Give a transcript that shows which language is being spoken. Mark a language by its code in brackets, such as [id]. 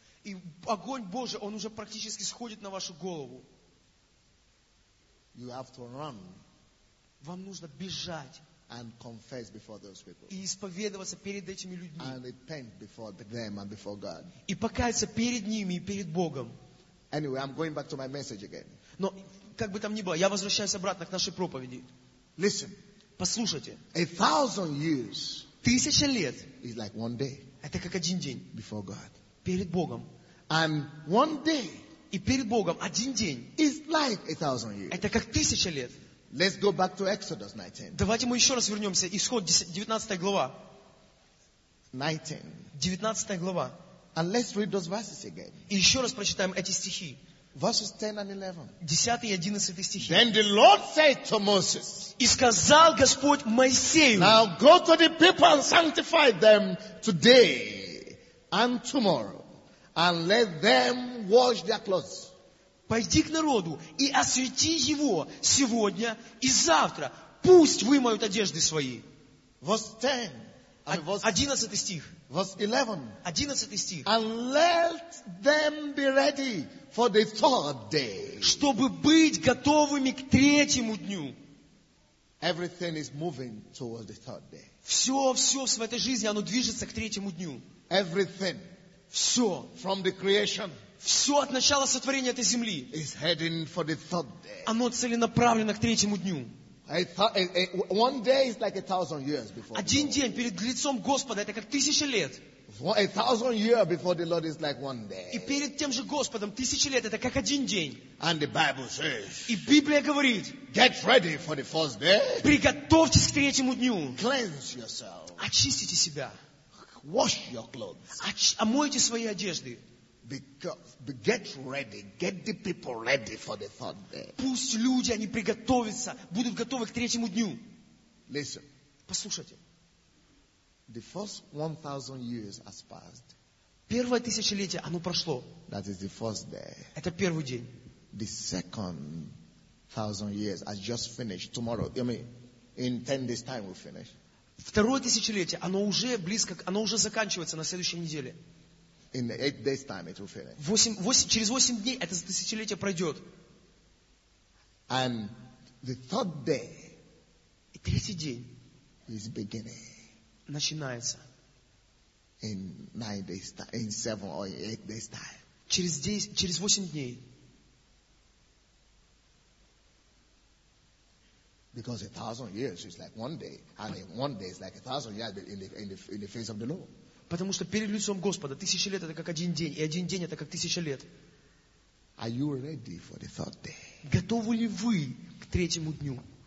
[ru] И огонь Божий, он уже практически сходит на вашу голову. [en] You have to run. [ru] Вам нужно бежать. [en] And confess before those people. [ru] И исповедоваться перед этими людьми. [en] And repent before them and before God. [ru] И покаяться перед ними и перед Богом. [en] Anyway, I'm going back to my message again. [ru] Но как бы там ни было, я возвращаюсь обратно к нашей проповеди. [en] Listen. [ru] Послушайте. [en] A thousand years. [ru] Тысяча лет. [en] Is like one day. [ru] Это как один день. [en] Before God. [ru] Перед Богом. [en] And one day. [ru] И перед Богом один день. [en] Is like a thousand years. [ru] Это как тысяча лет. [en] Let's go back to Exodus 19. [ru] Давайте мы еще раз вернемся. Исход 19 глава. 19. 19 глава. [en] And let's read those verses again. [ru] И еще раз прочитаем эти стихи. [en] Verses 10 and 11. [ru] 10 и 11 стихи. [en] Then the Lord said to Moses. [ru] И сказал Господь Моисею. [en] Now go to the people and sanctify them today and tomorrow. And let them wash their clothes. [ru] Пойди к народу и освети его сегодня и завтра. Пусть вымоют одежды свои. [en] Verse 10. [ru] 11 стих. [en] Verse 11. [ru] 11 стих. [en] And let them be ready for the third day. [ru] Чтобы быть готовыми к третьему дню. [en] Everything is moving towards the third day. [ru] Все в этой жизни, оно движется к третьему дню. [en] Everything. [ru] Все. [en] From the creation. [ru] Все от начала сотворения этой земли. [en] Is heading for the third day. [ru] Оно целенаправлено к третьему дню. [en] One day is like a thousand years before. [ru] Один день перед лицом Господа это как тысяча лет. [en] A thousand years before the Lord is like one day. [ru] И перед тем же Господом тысяча лет это как один день. [en] And the Bible says. [ru] И Библия говорит. [en] Get ready for the first day. [ru] Приготовьтесь к третьему дню. [en] Cleanse yourself. [ru] Очистите себя. [en] Wash your clothes. [ru] Омойте свои одежды. [en] Because get ready, get the people ready for the third day. [ru] Пусть люди они приготовятся, будут готовы к третьему дню. [en] Listen. [ru] Послушайте. [en] The first 1,000 years has passed. [ru] Первое тысячелетие оно прошло. [en] That is the first day. [ru] Это первый день. [en] The second 1,000 years has just finished. Tomorrow, I mean, in 10 days time we'll finish. [ru] Второе тысячелетие оно уже близко, оно уже заканчивается на следующей неделе. [en] In 8 days time it will finish. [ru] Через 8 дней это тысячелетие пройдет. [en] And the third day. [ru] И третий день. [en] Is beginning. [ru] Начинается. [en] In 9 days time, in 7 or 8 days time. [ru] Через 8 дней. [en] Because a thousand years is like one day, and in one day is like a thousand years in the face of the Lord. [ru] Потому что перед лицом Господа тысяча лет это как один день, и один день это как тысяча лет. [en] Are you ready for the third day? [ru] Готовы ли вы к третьему дню?